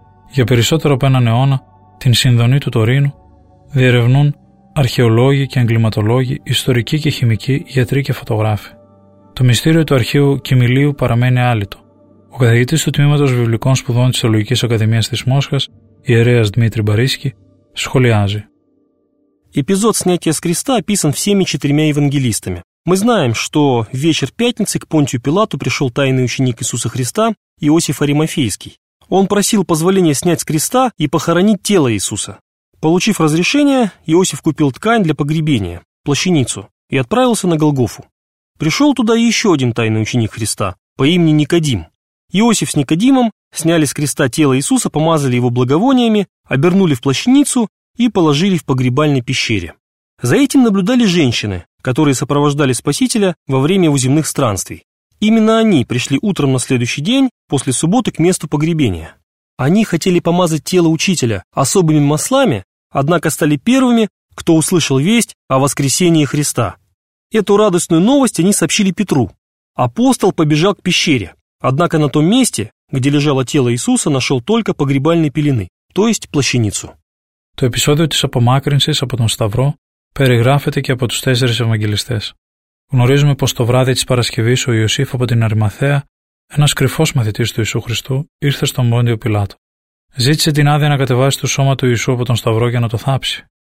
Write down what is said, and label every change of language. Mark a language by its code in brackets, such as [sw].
[el] Για περισσότερο από έναν αιώνα, την συνδονή του Τωρίνου διερευνούν αρχαιολόγοι και εγκληματολόγοι, ιστορικοί και χημικοί, γιατροί και φωτογράφοι. Το μυστήριο του αρχείου Κιμιλίου παραμένει άλυτο. Ο καθηγητής του Τμήματος Βιβλικών Σπουδών της Θεολογικής Ακαδημίας της Μόσχας, ιερέας Δημήτρη Μπαρίσκη, σχολιάζει. [ru] Эпизод снятия с креста описан всеми четырьмя евангелистами. Мы знаем, что в вечер пятницы к Понтию Пилату пришел тайный ученик Иисуса Христа, Иосиф Аримафейский. Он просил позволения снять с креста и похоронить тело Иисуса. Получив разрешение, Иосиф купил ткань для погребения, плащаницу, и отправился на Голгофу. Пришел туда еще один тайный ученик Христа по имени Никодим. Иосиф с Никодимом сняли с креста тело Иисуса, помазали его благовониями, обернули в плащаницу и положили в погребальной пещере. За этим наблюдали женщины, которые сопровождали Спасителя во время его земных странствий. Именно они пришли утром на следующий день после субботы к месту погребения. Они хотели помазать тело Учителя особыми маслами, однако стали первыми, кто услышал весть о воскресении Христа. Эту радостную новость они сообщили Петру. Апостол побежал к пещере, однако на том месте, где лежало тело Иисуса, нашел только погребальные пелены, то есть плащаницу. [el] Το επεισόδιο της απομάκρυνσης από τον Σταυρό περιγράφεται και από τους τέσσερις Ευαγγελιστές. Γνωρίζουμε πως το βράδυ της Παρασκευής ο Ιωσήφ από την Αρημαθέα, ένας κρυφός μαθητής του Ιησού Χριστού, ήρθε στον Πόντιο Πιλάτο. Ζήτησε την άδεια να κατεβάσει το σώμα του Ιησού από τον Σταυρό για να το θάψει.